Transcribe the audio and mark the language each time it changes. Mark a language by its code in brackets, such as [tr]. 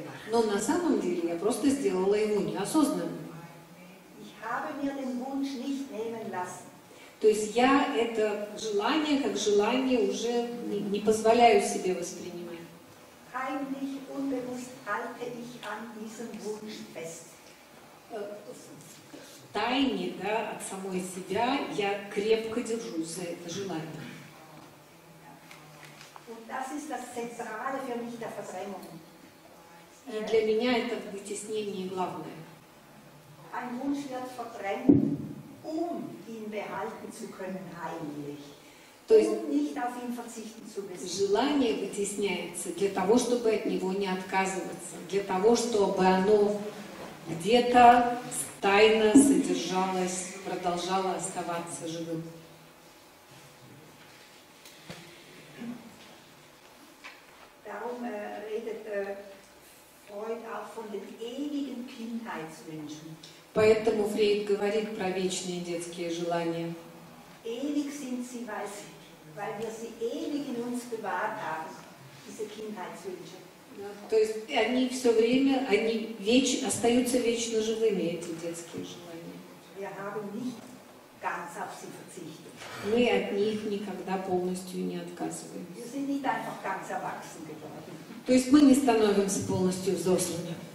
[ru] Но на самом деле я просто сделала его неосознанно. [de] Ich habe mir den Wunsch nicht nehmen lassen. [ru] То есть я это желание как желание уже не позволяю себе воспринимать. [de] Heimlich, unbewusst halte ich an diesem Wunsch fest. [ru] В тайне, да, от самой себя я крепко держусь за это желание. [de] Und das ist das Zentrale für mich der Verdrängung. [ru] И для меня это вытеснение главное. [de] Ein Wunsch wird verdrängt, um ihn behalten zu können heimlich. [ru] То есть [de] um nicht auf ihn verzichten zu müssen. [ru] Желание вытесняется для того, чтобы от него не отказываться, для того, чтобы оно где-то тайно содержалось, продолжало оставаться живым. [de] Darum redet Freud auch von den ewigen Kindheitswünschen. [ru] Поэтому Фрейд говорит про вечные детские желания. [de] Ewig sind sie, weil wir sie ewig in uns bewahrt haben, diese Kindheitswünsche. [ru] Ja, то есть они все время, они остаются вечно живыми, эти детские желания. [de] Wir haben nicht ganz auf sie verzichtet. [ru] Мы от них никогда полностью не отказываем. [de] Wir sind nicht einfach ganz erwachsen geworden. [ru] То есть мы не становимся полностью взрослыми.